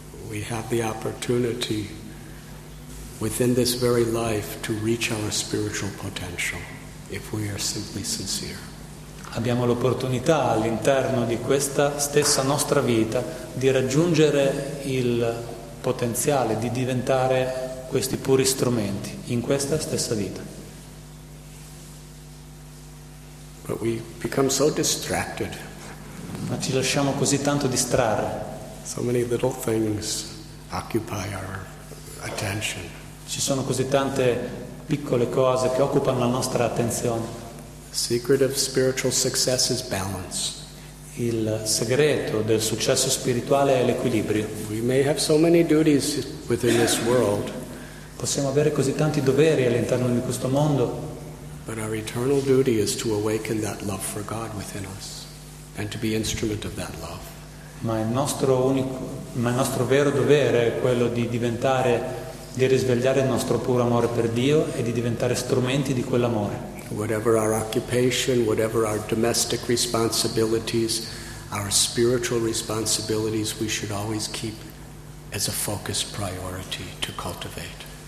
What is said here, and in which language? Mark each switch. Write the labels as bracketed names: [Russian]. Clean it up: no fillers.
[English] We have the opportunity within this very life to reach our spiritual potential if we are simply sincere. [Italian] Abbiamo l'opportunità all'interno di questa stessa nostra vita di raggiungere il potenziale di diventare questi puri strumenti in questa stessa vita. [English] But we become so distracted. [Italian] Ma ci lasciamo così tanto distrarre. [English] So many little things occupy our attention. [Italian] Ci sono così tante piccole cose che occupano la nostra attenzione. [English] The secret of spiritual success is balance. [Italian] Il segreto del successo spirituale è l'equilibrio. [English] We may have so many duties within this world. [Italian] Possiamo avere così tanti doveri all'interno di questo mondo. [English] But our eternal duty is to awaken that love for God within us and to be instrument of that love. [Italian] Ma il nostro vero dovere è quello di risvegliare il nostro puro amore per Dio e di diventare strumenti di quell'amore. [English] Whatever our occupation, whatever our domestic responsibilities, our spiritual responsibilities, we should always keep as a focused priority to cultivate.